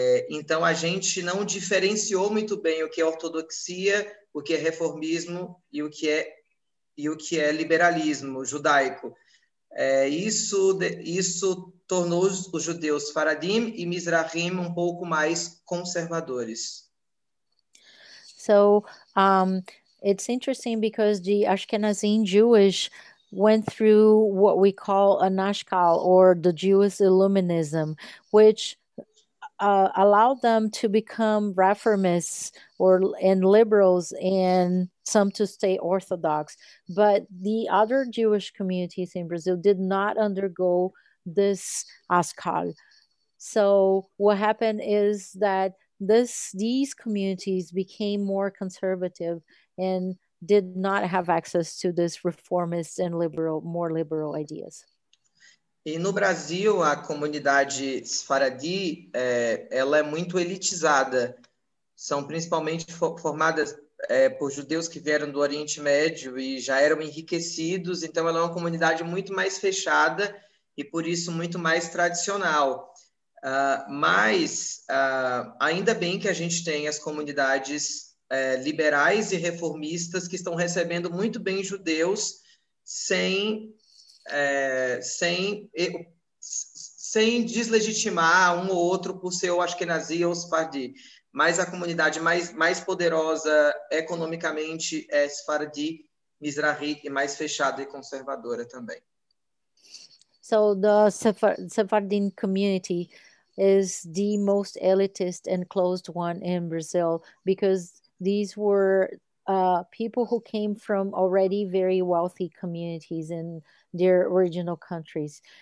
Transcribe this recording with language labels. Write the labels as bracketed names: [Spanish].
[Portuguese] Então, a gente não diferenciou muito bem o que é ortodoxia, o que é reformismo e o que é liberalismo judaico. Isso tornou os judeus Faradim e Mizrahim um pouco mais conservadores. [English] So, it's interesting because the Ashkenazim Jewish went through what we call an Ashkal, or the Jewish Illuminism, which allowed them to become reformists and liberals, and some to stay orthodox. But the other Jewish communities in Brazil did not undergo this askal. So what happened is that these communities became more conservative and did not have access to this reformist and more liberal ideas. [Portuguese] E no Brasil, a comunidade Sfaradi, ela é muito elitizada. São principalmente formadas por judeus que vieram do Oriente Médio e já eram enriquecidos. Então, ela é uma comunidade muito mais fechada e, por isso, muito mais tradicional. Mas, ainda bem que a gente tem as comunidades liberais e reformistas que estão recebendo muito bem judeus sem deslegitimar um ou outro por ser, eu acho que, nazi ou sfardi. Mas a comunidade mais poderosa economicamente é sfardi, mizrahi, e mais fechada e conservadora também. [English] So the Sephardim community is the most elitist and closed one in Brazil, because these were people who came from already very wealthy communities in their original countries.